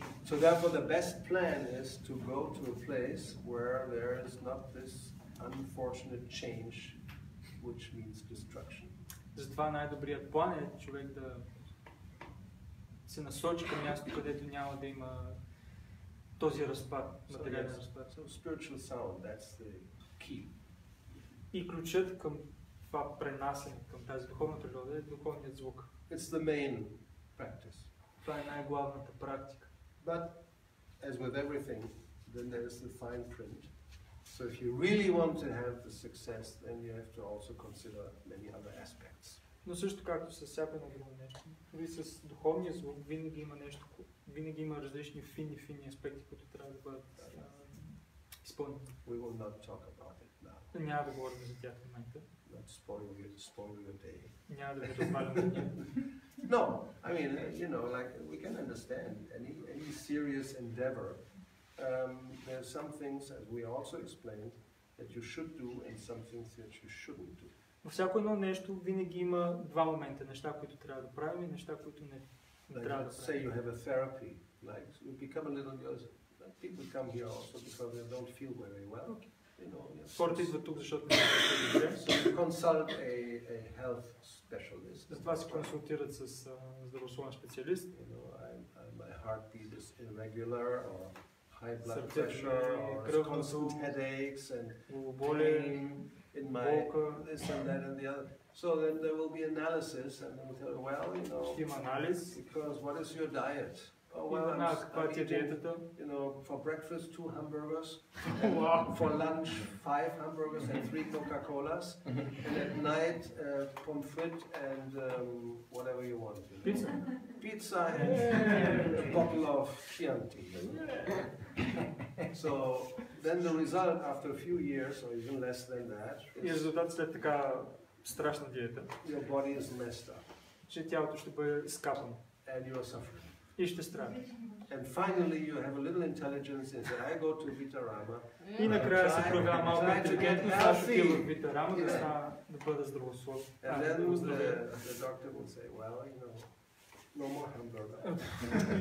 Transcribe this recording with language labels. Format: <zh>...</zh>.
<en>So therefore the best plan is to go to a place where there is not this unfortunate change which means destruction.</en> <bg>Затова най-добрият план е човек да се насочи към място, където няма да има този разпад, материален разпад.</bg> <en>So spiritual sound, that's the key.</en> <bg>И ключът към това пренасене, към тази духовна природа е духовният звук.</bg> <en>It's the main practice.</en> <bg>Това е най-главната практика.</bg> <en>But as with everything, then there is the fine print. So if you really want to have the success, then you have to also consider many other aspects.</en> <bg>Но също както с всяко друго нещо, дори с духовния звук, винаги има нещо, винаги има различни фини аспекти, които трябва да бъдат изпълнени.</bg> <en>We will not talk about it now.</en> <bg>Няма да говорим за тях в момента.</bg> <en>Not spoiling your day.</en> <bg>Няма да ви разпалям деня.</bg> <en>No, I mean, you know, like we can understand any serious endeavor. There are some things, as we also explained, that you should do, and some things that you shouldn't do.</en> <bg>Във всяко едно нещо винаги има два момента: неща, които трябва да правим, и неща, които не трябва да правим.</bg> <en>Say you have a therapy, like you become a little good. People come here also because they don't feel very well. Okay.</en> <bg>Хората идват тук, защото не</bg> <en>consult a health specialist.</en> <bg>Затова се консултират с здравословен специалист.</bg> <en>You know, my heartbeat is irregular or high blood pressure or constant headaches and pain in my this and that and the other. So then there will be analysis, and they will tell you, well, you know, because what is your diet? Oh, well, I'm eating, you know, for breakfast, 2 hamburgers, for lunch, 5 hamburgers and 3 Coca-Colas, and at night, pommes frites and whatever you want. You know? Pizza. Pizza and a bottle of Chianti. So then the result after a few years, or even less than that, is</en> <bg>страшна диета.</bg> <en>Your body is messed up.</en> <bg>Че тялото ще бъде изкапан.</bg> <en>And you are suffering.</en> <bg>И ще страдаш.</bg> <en>And finally you have a little intelligence and say, I go to Vitarama.</en> <bg>И накрая се проявява малко интелигентност, аз отивам в Vitarama, да стана, да бъда здравословен.</bg> <en>And then the doctor will say, well, you know, no more hamburger.</en>